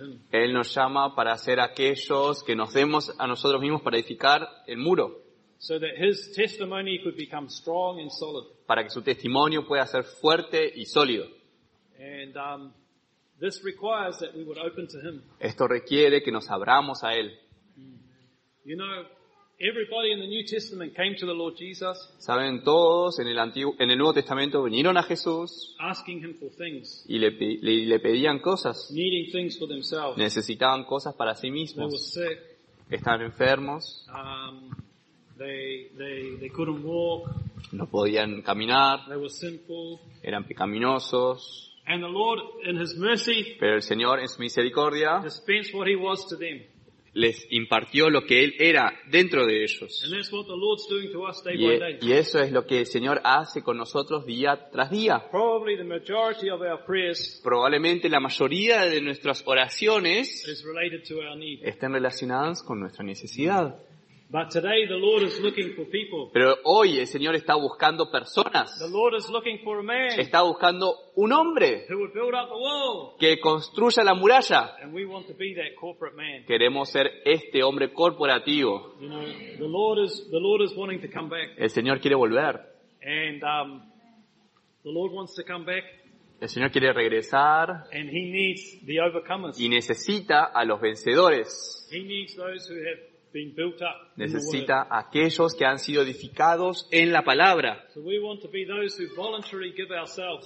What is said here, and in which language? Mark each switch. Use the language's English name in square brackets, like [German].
[Spanish] Él nos llama para ser aquellos que nos demos a nosotros mismos para edificar el muro. [English] So that his testimony could become strong and solid. [Spanish] Para que su testimonio pueda ser fuerte y sólido. [English] And this requires that we would open to him. [Spanish] Esto requiere que nos abramos a él. [English] You know, everybody in the New Testament came to the Lord Jesus. [Spanish] Saben, todos en el Nuevo Testamento vinieron a Jesús. [English] Asking him for things. [Spanish] Y le pedían cosas. [English] Needing things for themselves. [Spanish] Necesitaban cosas para sí mismos. [English] They were sick. [Spanish] Estaban enfermos. [English] They couldn't walk. [Spanish] No podían caminar. [English] They were sinful. [Spanish] Eran pecaminosos. [English] And the Lord, in his mercy, [Spanish] pero el Señor en su misericordia [English] dispensed what he was to them. [Spanish] Les impartió lo que él era dentro de ellos. [English] And that's what the Lord's doing to us day by day. [Spanish] Y eso es lo que el Señor hace con nosotros día tras día. [English] Probably the majority of our prayers, [Spanish] probablemente la mayoría de nuestras oraciones [English] is related to our need. [Spanish] Estén relacionadas con nuestra necesidad. [English] But today the Lord is looking for people. [Spanish] Pero hoy el Señor está buscando personas. [English] The Lord is looking for a man. [Spanish] Está buscando un hombre. [English] Who would build up the wall. [Spanish] Que construya la muralla. [English] And we want to be that corporate man. [Spanish] Queremos ser este hombre corporativo. [English] You know, the Lord is wanting to come back. [Spanish] El Señor quiere volver. [English] And the Lord wants to come back. [Spanish] El Señor quiere regresar. [English] And he needs the overcomers. [Spanish] Y necesita a los vencedores. [English] He needs those who have been built up. [Spanish] Necesita aquellos que han sido edificados en la palabra. [English] So we want to be those who voluntarily give ourselves.